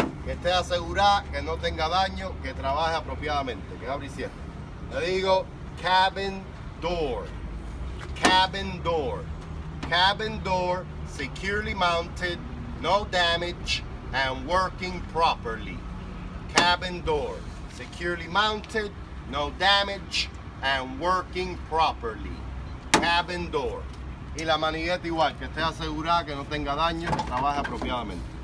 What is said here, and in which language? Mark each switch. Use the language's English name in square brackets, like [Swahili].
[Spanish] Que esté asegurada, que no tenga daño, que trabaje apropiadamente, que abre y cierre. Le digo cabin door. Cabin door. [English] Cabin door securely mounted, no damage, and working properly. Cabin door securely mounted, no damage, and working properly. Cabin door. [Spanish] Y la manigueta igual, que esté asegurada, que no tenga daño, que trabaje apropiadamente.